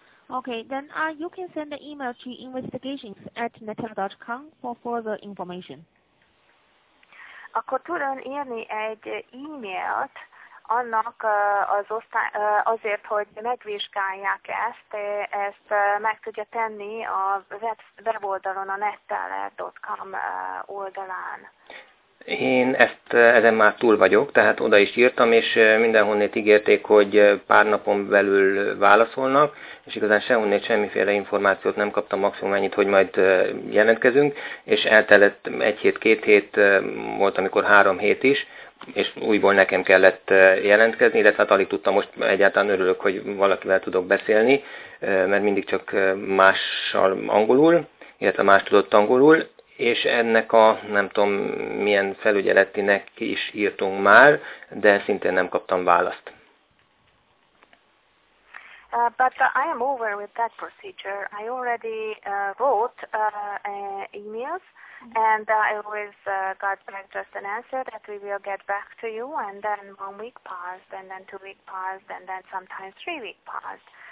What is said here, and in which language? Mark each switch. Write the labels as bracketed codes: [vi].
[en] Okay, then you can send an email to investigations@netel.com for further information. [hu] Akkor tudom írni egy e-mailt annak az osztály, azért, hogy megvizsgálják ezt, ezt meg tudja tenni a weboldalon, a netteller.com oldalán. Én ezen már túl vagyok, tehát oda is írtam, és mindenhonnét ígérték, hogy pár napon belül válaszolnak, és igazán sehonnét semmiféle információt nem kaptam, maximum ennyit, hogy majd jelentkezünk, és eltelt egy hét, két hét, volt amikor három hét is, és újból nekem kellett jelentkezni, illetve hát alig tudtam, most egyáltalán örülök, hogy valakivel tudok beszélni, mert mindig csak mással angolul, illetve más tudott angolul, és ennek a, nem tudom, milyen felügyeletinek is írtunk már, de szintén nem kaptam választ. [en] I am over with that procedure. I already wrote emails, and I always got back just an answer that we will get back to you, and then 1 week passed, and then 2 week passed, and then sometimes 3 week passed.